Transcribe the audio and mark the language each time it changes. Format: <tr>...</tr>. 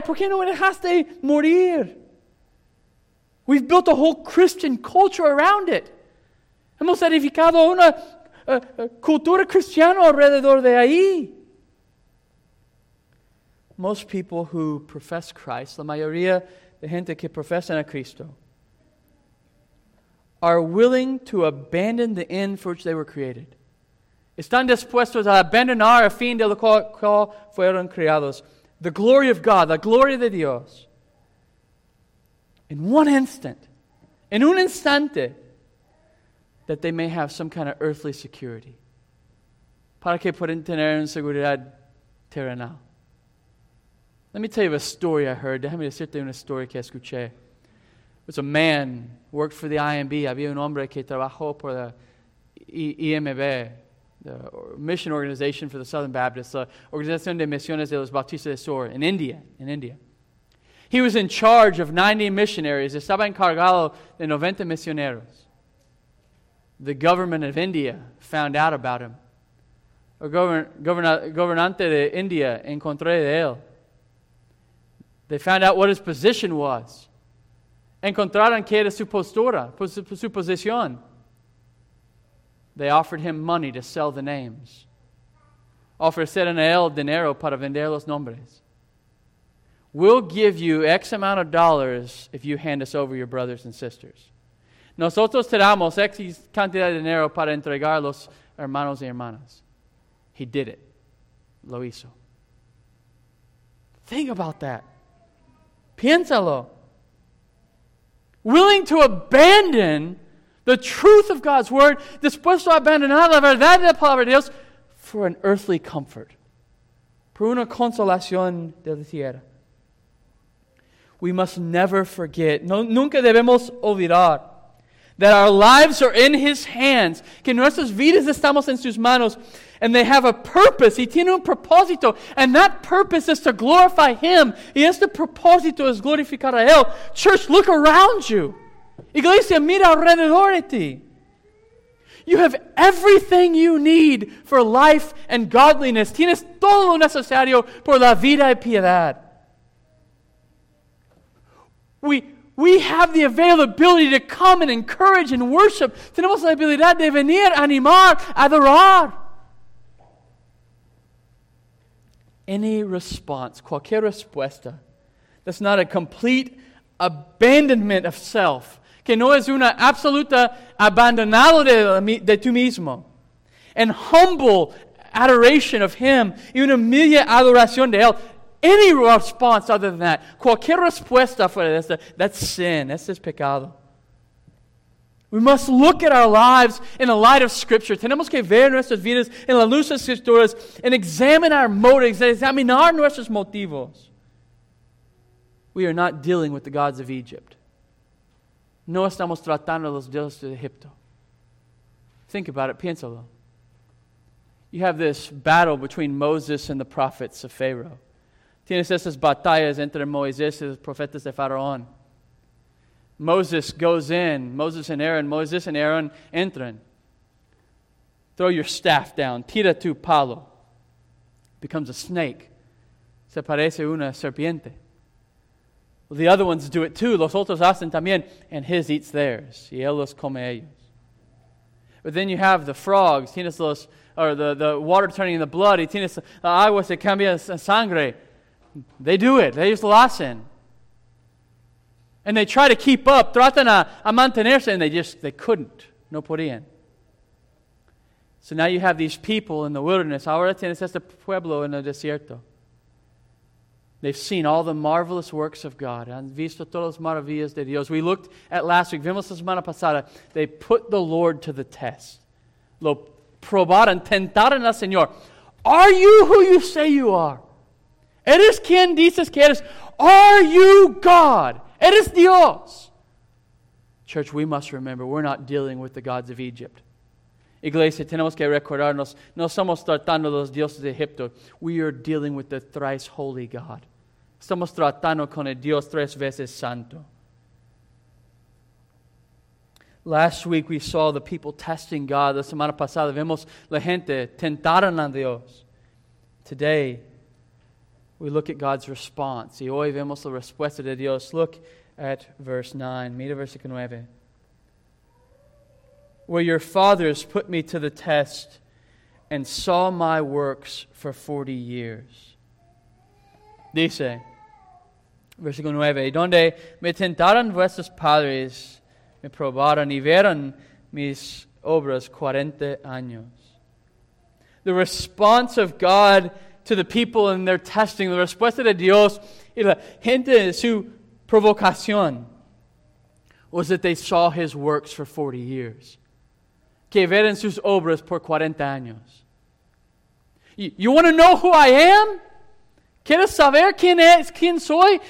<es>¿Por qué no me dejaste morir?</es> <en>We've built a whole Christian culture around it.</en> <es>Hemos edificado una cultura cristiana alrededor de ahí.</es> <en>Most people who profess Christ,</en> <es>la mayoría de gente que profesan a Cristo,</es> <en>are willing to abandon the end for which they were created.</en> <es>Están dispuestos a abandonar el fin del cual fueron creados.</es> <en>The glory of God,</en> <es>la gloria de Dios.</es> <en>In one instant, in</en> <es>un instante,</es> <en>that they may have some kind of earthly security.</en> <es>Para que puedan tener una seguridad terrenal.</es> <en>Let me tell you a story I heard.</en> <es>Déjame decirte una historia que escuché.</es> <en>It was a man who worked for the IMB.</en> <es>Había un hombre que trabajó por la IMB.</es> <en>The mission organization for the Southern Baptists, the Organización de Misiones de los Bautistas del Sur, in India. He was in charge of 90 missionaries.</en> <es>Estaba encargado de 90 misioneros.</es> <en>The government of India found out about him.</en> <es>El gobernante de India encontró de él.</es> <en>They found out what his position was.</en> <es>Encontraron que era su postura, su posición.</es> <en>They offered him money to sell the names.</en> <es>Ofrecieron a él dinero para vender los nombres.</es> <en>We'll give you X amount of dollars if you hand us over your brothers and sisters.</en> <es>Nosotros te damos X cantidad de dinero para entregar los hermanos y hermanas.</es> <en>He did it.</en> <es>Lo hizo.</es> <en>Think about that.</en> <es>Piénsalo.</es> <en>willing to abandon the truth of God's word,</en> <es>dispuesto a abandonar la verdad de la palabra de Dios,</es> <en>for an earthly comfort.</en> <es>Por una consolación de la tierra.</es> <en>We must never forget,</en> <es>nunca debemos olvidar,</es> <en>that our lives are in His hands,</en> <es>que nuestras vidas estamos en sus manos,</es> <en>and they have a purpose,</en> <es>y tiene un propósito,</es> <en>and that purpose is to glorify Him,</en> <es>y este propósito es glorificar a Él.</es> <en>Church, look around you.</en> <es>Iglesia, mira alrededor de ti.</es> <en>You have everything you need for life and godliness.</en> <es>Tienes todo lo necesario por la vida y piedad.</es> <en>We have the availability to come and encourage and worship.</en> <es>Tenemos la habilidad de venir, animar, adorar.</es> <en>Any response,</en> <es>cualquier respuesta,</es> <en>that's not a complete abandonment of self,</en> <es>que no es una absoluta abandonado de tú mismo,</es> <en>and humble adoration of Him,</en> <es>y una humilde adoración de Él.</es> <en>Any response other than that,</en> <es>cualquier respuesta fuera de esta,</es> <en>that's sin,</en> <es>ese es pecado.</es> <en>We must look at our lives in the light of Scripture.</en> <es>Tenemos que ver nuestras vidas en la luz de las Escrituras</es> <en>and examine our motives,</en> <es>examinar nuestros motivos.</es> <en>We are not dealing with the gods of Egypt.</en> <es>No estamos tratando los dioses de Egipto.</es> <en>Think about it, piénsalo. You have this battle between Moses and the prophets of Pharaoh.</en> <es>Tienes esas batallas entre Moisés y los profetas de Faraón.</es> <en>Moses goes in. Moses and Aaron</en> <es>entran.</es> <en>Throw your staff down.</en> <es>Tira tu palo.</es> <en>Becomes a snake.</en> <es>Se parece una serpiente.</es> <en>Well, the other ones do it too.</en> <es>Los otros hacen también.</es> <en>And his eats theirs.</en> <es>Y él los come ellos.</es> <en>But then you have the frogs.</en> <es>Tienes los,</es> <en>or the water turning into blood.</en> <es>Y tienes la agua se cambia en sangre.</es> <en>They do it. They use the lesson. And they try to keep up.</en> <es>Tratan a mantenerse.</es> <en>And they couldn't.</en> <es>No podían.</es> <en>So now you have these people in the wilderness.</en> <es>Ahora tienes este pueblo en el desierto.</es> <en>They've seen all the marvelous works of God.</en> <es>Han visto todas las maravillas de Dios.</es> <en>We looked at last week.</en> <es>Vimos la semana pasada.</es> <en>They put the Lord to the test.</en> <es>Lo probaron, tentaron al Señor.</es> <en>Are you who you say you are?</en> <es>¿Eres quien dices que eres?</es> <en>Are you God?</en> <es>¿Eres Dios?</es> <en>Church, we must remember, we're not dealing with the gods of Egypt.</en> <es>Iglesia, tenemos que recordarnos, no somos tratando los dioses de Egipto.</es> <en>We are dealing with the thrice holy God.</en> <es>Estamos tratando con el Dios tres veces santo.</es> <en>Last week we saw the people testing God.</en> <es>La semana pasada vemos la gente tentaron a Dios.</es> <en>Today, we look at God's response.</en> <es>Y hoy vemos la respuesta de Dios.</es> <en>Look at verse 9.</en> <es>Mira versículo 9.</es> <en>Where your fathers put me to the test and saw my works for 40 years.</en> <es>Dice, versículo 9. Y donde me tentaron vuestros padres, me probaron y vieron mis obras 40 años.</es> <en>The response of God to the people and their testing, the</en> <es>respuesta de Dios y la gente su provocación</es> <en>was that they saw His works for 40 years.</en> <es>Que vieron sus obras por 40 años.</es> <en>You want to know who I am?</en> <es>¿Quieres saber quién es, quién soy?</es>